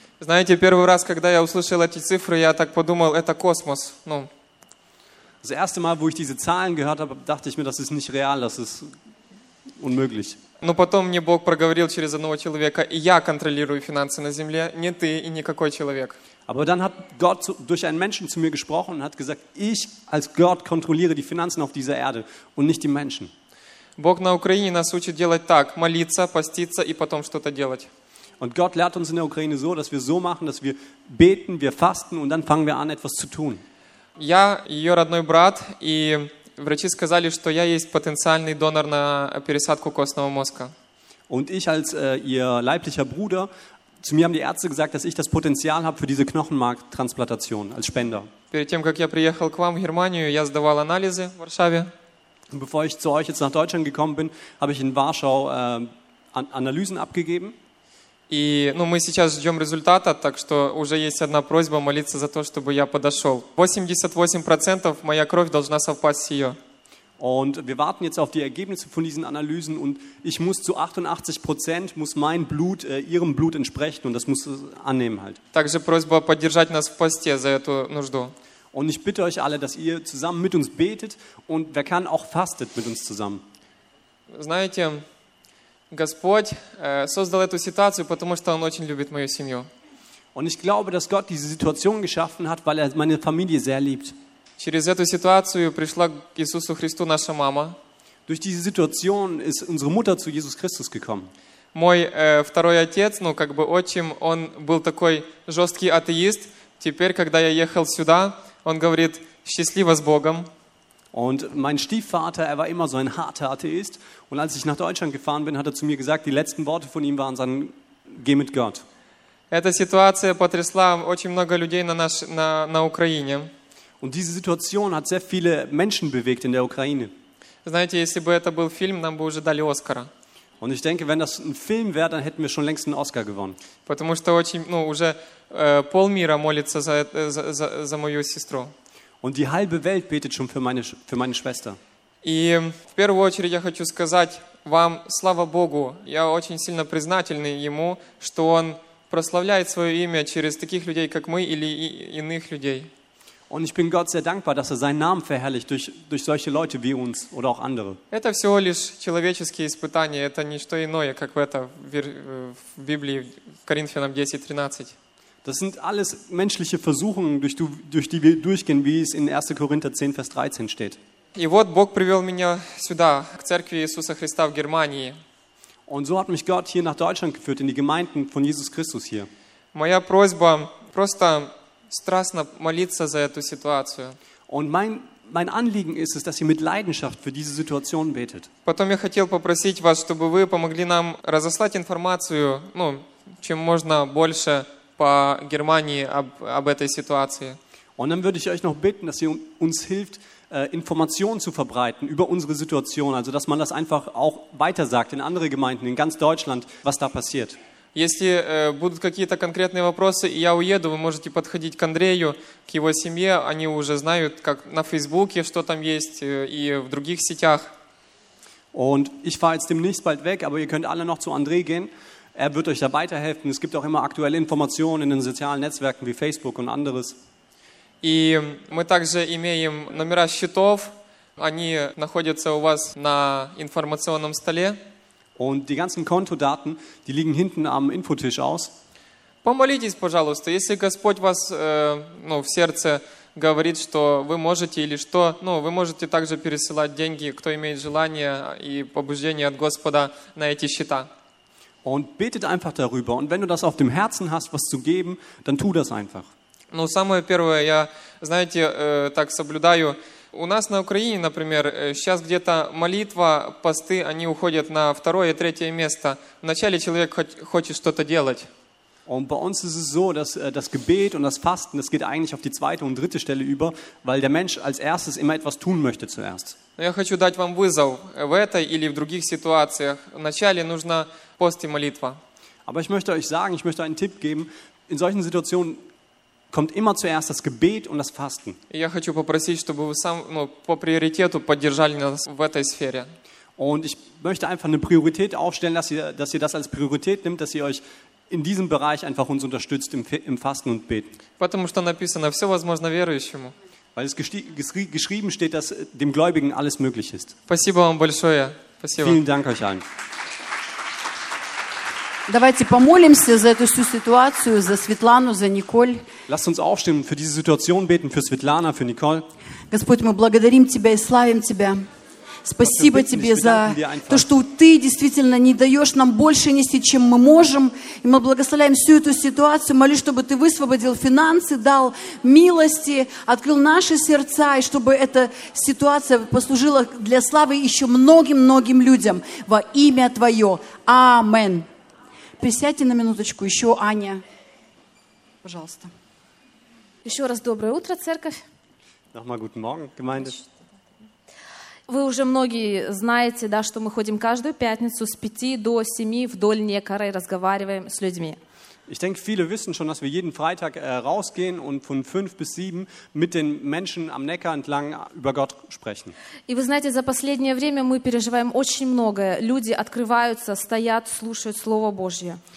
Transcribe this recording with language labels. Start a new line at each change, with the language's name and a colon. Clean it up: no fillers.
Russian: Знаете, первый раз, когда я услышал эти цифры, я так подумал, это космос. Ну.
German: Das erste Mal, wo ich diese Zahlen gehört habe, dachte ich mir, das ist nicht real, das ist unmöglich.
Russian: Но потом мне Бог проговорил через одного человека, и я контролирую финансы на земле, не ты и никакой человек.
German: Aber dann hat Gott durch einen Menschen zu mir gesprochen und hat gesagt, ich als Gott kontrolliere die Finanzen auf dieser Erde und nicht die Menschen.
Russian: Бог на Украине нас учит делать так, молиться, поститься и потом что-то делать.
German: Und Gott lehrt uns in der Ukraine so, dass wir so machen, dass wir beten, wir fasten und dann fangen wir an, etwas zu tun.
Russian: Я ее родной брат, и врачи сказали, что я есть потенциальный донор на пересадку костного мозга.
German: Und ich als ihr leiblicher Bruder, zu mir haben die Ärzte gesagt, dass ich das Potenzial habe für diese Knochenmarktransplantation als Spender.
Russian: Перед тем, как я приехал к вам в Германию, я сдавал анализы в Варшаве.
German: Und bevor ich zu euch jetzt nach Deutschland gekommen bin, habe ich in Warschau Analysen abgegeben.
Russian: И, ну, мы сейчас ждем результата, так что уже есть одна просьба молиться за то, чтобы я подошел. 88% моя кровь должна совпасть с ее.
German: Und wir warten jetzt auf die Ergebnisse von diesen Analysen und ich muss zu 88% muss mein Blut ihrem Blut entsprechen und das muss annehmen halt.
Russian: Также просьба поддержать нас в посте за эту нужду.
German: Und ich bitte euch alle, dass ihr zusammen mit uns betet und wer kann auch fastet mit uns zusammen.
Russian: Знаете, Господь создал эту ситуацию, потому что Он очень любит мою семью.
German: Und ich glaube, dass Gott diese Situation geschaffen hat, weil er meine Familie sehr liebt.
Russian: Через эту ситуацию пришла к Иисусу Христу наша мама.
German: Durch diese Situation ist unsere Mutter zu Jesus Christus gekommen.
Russian: Мой второй отец, ну как бы отчим, он был такой жесткий атеист. Теперь, когда я ехал сюда, он говорит: «Счастливо с Богом».
German: Und mein Stiefvater, er war immer so ein harter Atheist. Und als ich nach Deutschland gefahren bin, hat er zu mir gesagt, die letzten Worte von ihm waren dann, geh mit Gott.
Russian: Эта ситуация потрясла очень много людей на Украине.
German: Und diese Situation hat sehr viele Menschen bewegt in der Ukraine.
Russian: Знаете, если бы это был фильм, нам бы уже дали Оскара.
German: Und ich denke, wenn das ein Film wäre, dann hätten wir schon längst einen Oscar gewonnen.
Russian: Потому что очень, ну, уже полмира молится за мою сестру.
German: Und die halbe Welt betet schon für meine Schwester.
Russian: И в первую очередь я хочу сказать вам слава Богу. Я очень сильно признательный ему, что он прославляет свое имя через таких людей, как мы или иных людей.
German: Und ich bin Gott sehr dankbar, dass er seinen Namen verherrlicht durch solche Leute wie uns oder auch andere.
Russian: Это всего лишь человеческие испытания, это не что иное, как это в Библии в Коринфянам 10:13.
German: Das sind alles menschliche Versuchungen, durch die wir durchgehen, wie es in 1. Korinther 10, Vers 13 steht.
Russian: И вот Бог привел меня сюда, к церкви Иисуса Христа в Германии.
German: Und so hat mich Gott hier nach Deutschland geführt, in die Gemeinden von Jesus Christus hier.
Russian: Моя просьба просто страстно молиться за эту ситуацию.
German: Und mein Anliegen ist es, dass ihr mit Leidenschaft für diese Situation betet.
Russian: Потом я хотел попросить вас, чтобы вы помогли нам разослать информацию, ну, чем можно больше по Германии об этой ситуации.
German: Und dann würde ich euch noch bitten, dass ihr uns hilft, Informationen zu verbreiten über unsere Situation, also dass man das einfach auch weitersagt in andere Gemeinden in ganz Deutschland, was da passiert.
Russian: Если будут какие-то конкретные вопросы, и я уеду, вы можете подходить к Андрею, к его семье, они уже знают, как на Фейсбуке, что там есть и в других сетях.
German: Und ich fahre jetzt demnächst bald weg, aber ihr könnt alle noch zu André gehen. Er wird euch da weiterhelfen. Es gibt auch immer aktuelle Informationen in den sozialen Netzwerken wie Facebook und anderes.
Russian: И мы также имеем номера счетов. Они находятся у вас на информационном столе.
German: Und die ganzen Kontodaten, die liegen hinten am Infotisch aus.
Russian: Помолитесь, пожалуйста, если Господь вас, ну, в сердце говорит, что вы можете или что, ну, вы можете также пересылать деньги, кто имеет желание и побуждение от Господа на эти счета.
German: Und betet einfach darüber. Und wenn du das auf dem Herzen hast, was zu geben, dann tu das einfach.
Russian: Ну, самое первое, я, знаете, так соблюдаю. У нас на Украине, например, сейчас где-то молитва, посты, они уходят на второе и третье место. Вначале человек хочет что-то делать.
German: Und bei uns ist es so, dass das Gebet und das Fasten, das geht eigentlich auf die zweite und dritte Stelle über, weil der Mensch als erstes immer etwas tun möchte zuerst.
Russian: Я хочу дать вам вызов в этой или в других ситуациях. Вначале нужно пост и молитва.
German: Aber ich möchte euch sagen, ich möchte einen Tipp geben. In solchen Situationen kommt immer zuerst das Gebet und das Fasten.
Russian: Я хочу попросить, чтобы вы сам, ну, по приоритету поддержали нас в этой сфере.
German: Und ich möchte einfach eine Priorität aufstellen, dass ihr das als Priorität nimmt, dass ihr euch in diesem Bereich einfach uns unterstützt im Fasten und Beten.
Russian: Потому что написано, все возможно верующему.
German: Weil es geschrieben steht, dass dem Gläubigen alles möglich ist.
Russian: Спасибо вам большое. Спасибо.
German: Vielen Dank euch allen.
Russian: Давайте помолимся за эту всю ситуацию, за Светлану, за Николь.
German: Lasst uns aufstehen für diese Situation beten, für Светлана, für Николь.
Russian: Господь, мы благодарим Тебя и славим Тебя. Спасибо Тебе за то, что Ты действительно не даешь нам больше нести, чем мы можем. И мы благословляем всю эту ситуацию. Молюсь, чтобы Ты высвободил финансы, дал милости, открыл наши сердца, и чтобы эта ситуация послужила для славы еще многим-многим людям. Во имя Твое. Амен. Присядьте на минуточку. Еще Аня. Пожалуйста. Еще раз доброе утро, церковь.
German: Nochmal guten Morgen, Gemeinde.
Russian: Вы уже многие знаете, да, что мы ходим каждую пятницу с 5 до 7 вдоль Некара и разговариваем с людьми.
German: Ich denke, viele wissen schon, dass wir jeden Freitag rausgehen und von 5 bis 7 mit den Menschen am Neckar entlang über Gott sprechen.
Russian: И вы знаете, за последнее время мы переживаем очень многое. Люди открываются, стоят, слушают Слово Божье.